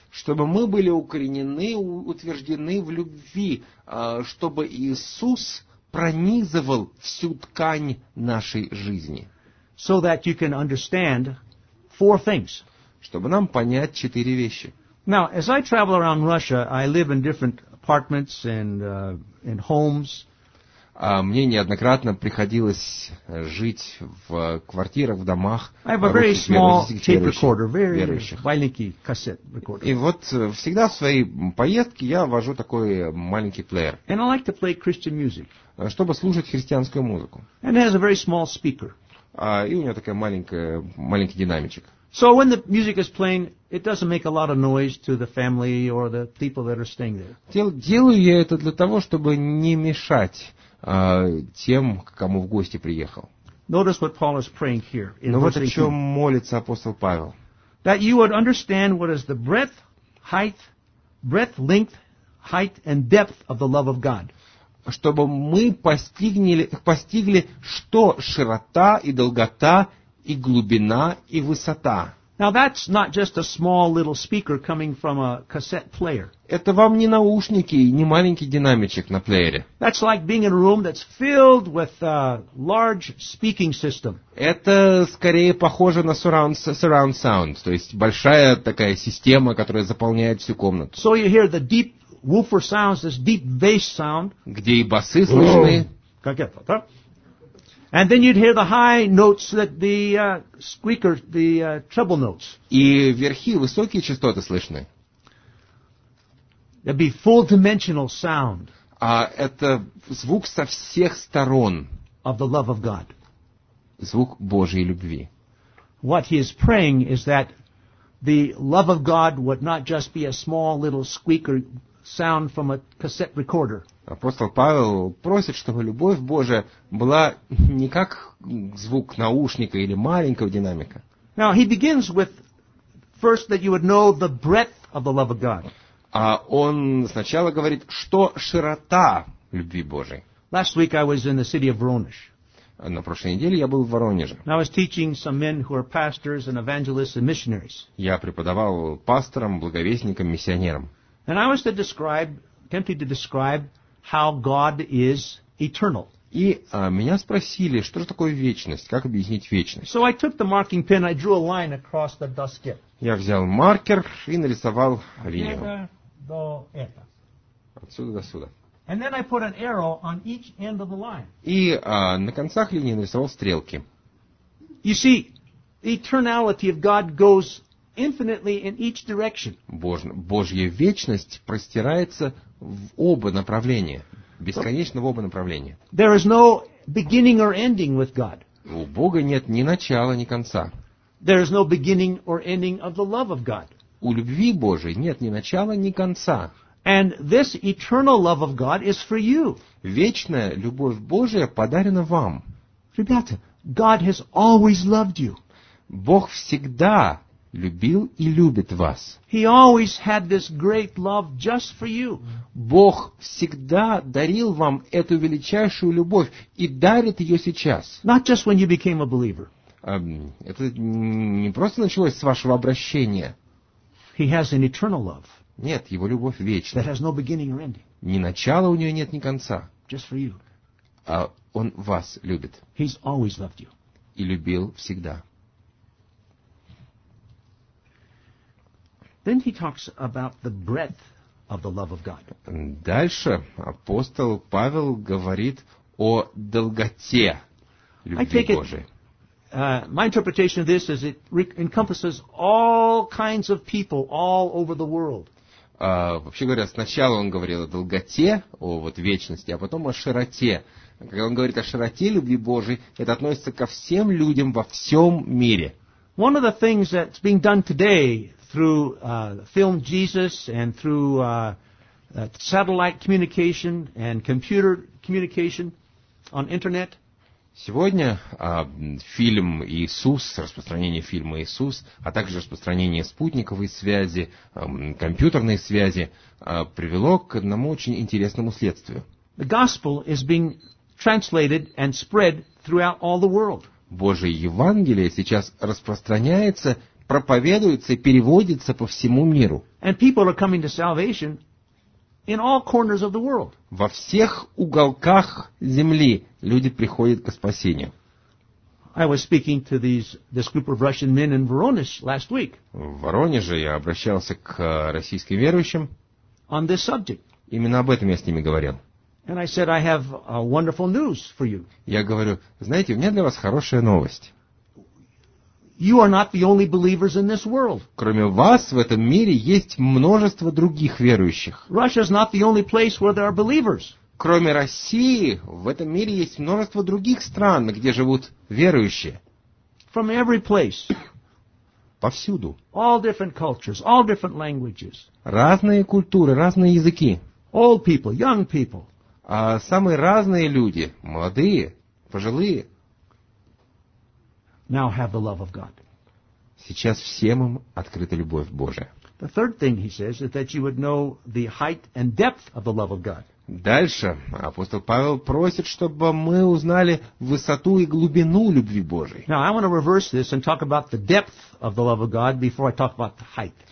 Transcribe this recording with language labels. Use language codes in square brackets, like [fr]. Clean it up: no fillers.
[ru] Чтобы мы были укоренены, утверждены в любви, чтобы Иисус пронизывал всю ткань нашей жизни. [en] So that you can understand four things. [ru] Чтобы нам понять четыре вещи. [en] Now, as I travel around Russia, I live in different apartments and in homes. [ru] Мне неоднократно приходилось жить в квартирах, в домах. [en] I have a very small tape recorder, very [ru] маленький [en] cassette recorder. [ru] И вот всегда в своей поездке я вожу такой маленький плеер. [en] And I like to play Christian music. [ru] Чтобы слушать христианскую музыку. [en] And it has a very small speaker. [ru] И у него такая маленький динамичек. [en] So when the music is playing, it doesn't make a lot of noise to the family or the people that are staying there. [ru] Делаю я это для того, чтобы не мешать тем, к кому в гости приехал. [en] Notice what Paul is praying here. [ru] Но вот о чем молится апостол Павел. [en] That you would understand what is the breadth, height, breadth, length, height and depth of the love of God. [ru] Чтобы мы постигли, что широта и долгота и глубина и высота. [en] Now that's not just a small little speaker coming from a cassette player. [ru] Это вам не наушники и не маленький динамичек на плеере. [en] That's like being in a room that's filled with a large speaking system. [ru] Это скорее похоже на [en] surround sound, [ru] то есть большая такая система, которая заполняет всю комнату. [en] So you hear the deep woofer sounds, this deep bass sound. [ru] Где и басы слышны. Как это, да? [en] And then you'd hear the high notes that the squeaker, the treble notes. [ru] И верхи, высокие частоты слышны. [en] There'd be full dimensional sound. [ru] А это звук со всех сторон. [en] Of the love of God. [ru] Звук Божьей любви. [en] What he is praying is that the love of God would not just be a small little squeaker sound from a cassette recorder. [ru] Апостол Павел просит, чтобы любовь Божия была не как звук наушника или маленького динамика. [en] Now he begins with first that you would know the breadth of the love of God. [ru] А он сначала говорит, что широта любви Божией. [en] Last week I was in the city of Voronezh. [ru] На прошлой неделе я был в Воронеже. [en] Now I was teaching some men who are pastors and evangelists and missionaries. [ru] Я преподавал пасторам, благовестникам, миссионерам. [en] And I was attempting to describe how God is eternal. [ru] И меня спросили, что же такое вечность, как объяснить вечность. [en] So I took the marking pen, I drew a line across the [ru] доске. Я взял маркер и нарисовал линию. От этого до этого. Отсюда до сюда. [en] And then I put an arrow on each end of the line. [ru] И на концах линии нарисовал стрелки. [en] You see, the eternality of God goes infinitely in each direction. [ru] Божья вечность простирается в оба направления, бесконечно в оба направления. [en] There is no beginning or ending with God. [ru] У Бога нет ни начала, ни конца. [en] There is no beginning or ending of the love of God. [ru] У любви Божией нет ни начала, ни конца. [en] And this eternal love of God is for you. [ru] Вечная любовь Божия подарена вам. Ребята, [en] God has always loved you. [ru] Бог всегда любил и любит вас. [en] He always had this great love just for you. [ru] Бог всегда дарил вам эту величайшую любовь и дарит ее сейчас. [en] Not just when you became a believer. [ru] Это не просто началось с вашего обращения. [en] He has an eternal love. [ru] Нет, его любовь вечна. [en] That has no beginning or ending. [ru] Ни начала у нее нет, ни конца. [en] Just for you. [ru] А он вас любит. [en] He's always loved you. [ru] И любил всегда. [en] Then he talks about the breadth of the love of God. [ru] Дальше апостол Павел говорит о долготе любви Божией. [en] My interpretation of this is it encompasses all kinds of people all over the world. [ru] Вообще говоря, сначала он говорил о долготе, о вот вечности, а потом о широте. Когда он говорит о широте любви Божией, это относится ко всем людям во всем мире. [en] One of the things that's being done today through film Jesus and through satellite communication and computer communication on internet. [ru] Сегодня фильм «Иисус», распространение фильма «Иисус», а также распространение спутниковой связи, компьютерной связи привело к одному очень интересному следствию. [en] The gospel is being translated and spread throughout all the world. [ru] Божье Евангелие сейчас распространяется, проповедуется и переводится по всему миру. [en] And people are coming to salvation in all corners of the world. [ru] Во всех уголках земли люди приходят к спасению. [en] I was speaking to this group of Russian men in Voronezh last week. [ru] В Воронеже я обращался к российским верующим. [en] On this subject. [ru] Именно об этом я с ними говорил. [en] And I said, I have a wonderful news for you. [ru] Я говорю, знаете, у меня для вас хорошая новость. [en] You are not the only believers in this world. [ru] Кроме вас, в этом мире есть множество других верующих. [en] Russia is not the only place where there are believers. [ru] Кроме России, в этом мире есть множество других стран, где живут верующие. [en] From every place. [ru] Повсюду. [en] All different cultures, all different languages. [ru] Разные культуры, разные языки. [en] Old people, young people. [ru] А самые разные люди, молодые, пожилые, [en] now have the love of God. [ru] Сейчас всем им открыта любовь Божия. [en] The third thing he says is that you would know the height and depth of the love of God. [ru] Дальше апостол Павел просит, чтобы мы узнали высоту и глубину любви Божией. [en] Now I want to reverse this and talk about the depth of the love of God before I talk about the height.